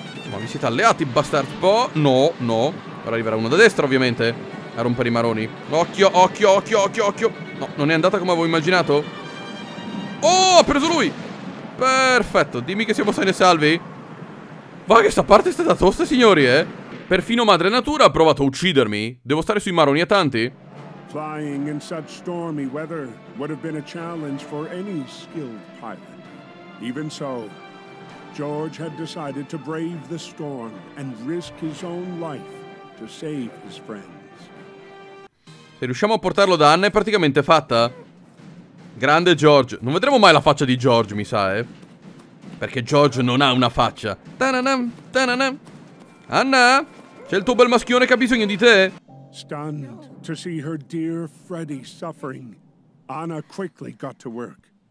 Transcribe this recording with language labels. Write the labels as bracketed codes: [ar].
[it] Ma vi siete alleati, bastardo. No, no. Ora arriverà uno da destra, ovviamente. A rompere i maroni. Occhio, occhio, occhio, occhio, occhio. No, non è andata come avevo immaginato. Oh, ha preso lui. Perfetto, dimmi che siamo sani e salvi. Va che sta parte è stata tosta, signori, eh. Perfino madre natura ha provato a uccidermi. Devo stare sui maroni a tanti. [en] Flying in such stormy weather would have been a challenge for any skilled pilot. Even so, George had decided to brave the storm and risk his own life to save his friend. [it] Se riusciamo a portarlo da Anna è praticamente fatta. Grande George. Non vedremo mai la faccia di George, mi sa, eh. Perché George non ha una faccia. Ta-na-nam, ta-na-nam. Anna? C'è il tuo bel maschione che ha bisogno di te? [en] Stunned to see her dear Freddy suffering, Anna quickly got to work.